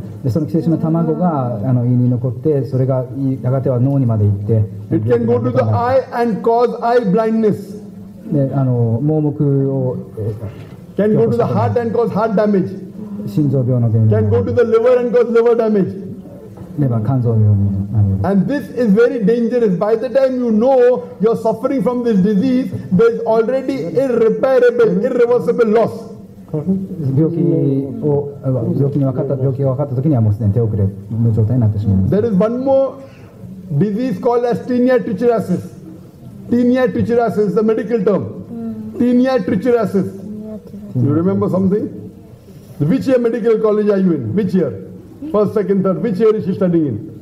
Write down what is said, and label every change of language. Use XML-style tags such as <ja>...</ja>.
<ja>その寄生虫の卵が胃に残って、それがやがては脳にまで行って。</ja> <en>It can go to the eye and cause eye blindness.</en> <ja>で、あの、盲目を。</ja> <en>Can go to the heart and cause heart damage.</en> <ja>心臓病の原因。</ja> <en>Can go to the liver and cause liver damage.</en> <ja>レバー肝臓病になる。</ja> <en>And this is very dangerous. By the time you know you're suffering from this disease, there's already irreparable, irreversible loss.</en> <ja>病気に分かった時にはもうすでに手遅れの状態になってしまいます。</ja> <en>There is one more disease called as tinea trichuriasis. Tinea trichuriasis is the medical term. Tinea trichuriasis. You remember something? Which year medical college are you in? Which year? First, second, third. Which year is she studying in?</en>